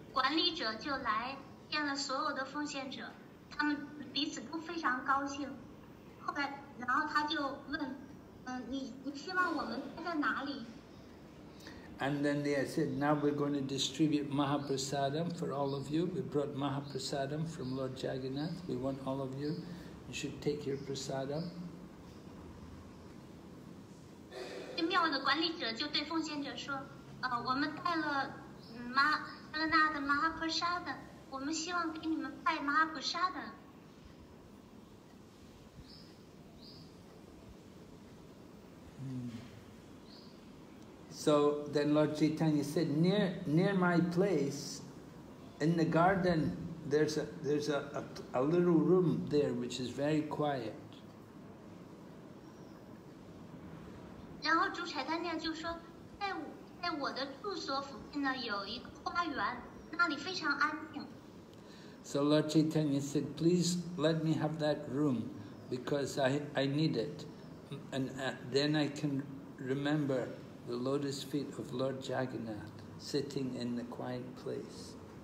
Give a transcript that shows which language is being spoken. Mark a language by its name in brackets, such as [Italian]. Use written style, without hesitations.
[Chinese] 管理者就来见了所有的奉献者，他们彼此都非常高兴。后来，然后他就问，你希望我们待在哪里？ [English] And then they said, now we're going to distribute Mahaprasadam for all of you. We brought Mahaprasadam from Lord Jagannath. We want all of you. You should take your prasadam. [Chinese] 这庙的管理者就对奉献者说，我们带了Mahaprasadam，我们希望给你们拜 Mahaprasadam。 [English] So then Lord Chaitanya said, near my place, in the garden, there's a little room there which is very quiet. [Chinese] 然后主柴丹念就说，在我的住所附近呢有一个花园，那里非常安静。 [English] So Lord Chaitanya said, please let me have that room because I need it. And then I can remember the lotus feet of Lord Jagannath sitting in the quiet place.